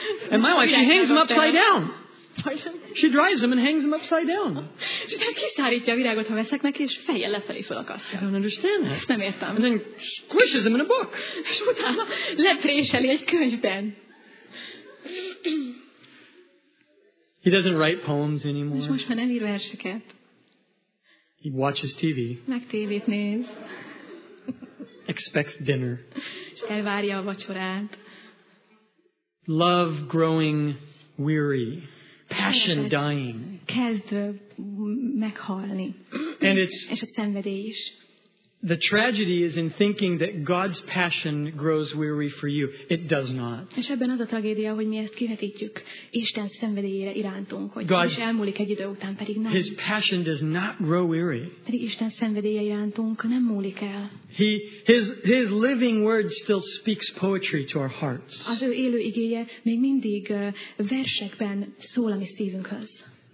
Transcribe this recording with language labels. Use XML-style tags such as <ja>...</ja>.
<en>and my wife, she hangs them upside down. She dries them and hangs them upside down.</en> <hu>Kiszárítja a virágot, ha veszek neki, és fejjel lefelé felakasztja.</hu> <en>I don't understand that.</en> <hu>Nem értem.</hu> <en>And then squishes them in a book.</en> <hu>És utána lepréseli egy könyvben.</hu> <en>He doesn't write poems anymore.</en> <hu>És most már nem ír verseket.</hu> <en>He watches TV.</en> <hu>Meg tévét néz.</hu> <en>Expects dinner.</en> <hu>És elvárja a vacsorát.</hu> <en>Love growing weary. Passion dying.</en> <hu>Kezd meghalni.</hu> <en>And it's,</en> <hu>és a szenvedély is.</hu> <en>The tragedy is in thinking that God's passion grows weary for you. It does not.</en> <hu>És ebben az a tragédia, hogy mi ezt kivetítjük Isten szenvedélyére irántunk, hogy God's, és elmúlik egy idő után pedig nem.</hu> <en>His passion does not grow weary.</en> <hu>Pedig Isten szenvedélye irántunk nem múlik el.</hu> <en>His living word still speaks poetry to our hearts.</en> <hu>Az ő élő igéje még mindig versekben szól a mi szívünkhöz.</hu>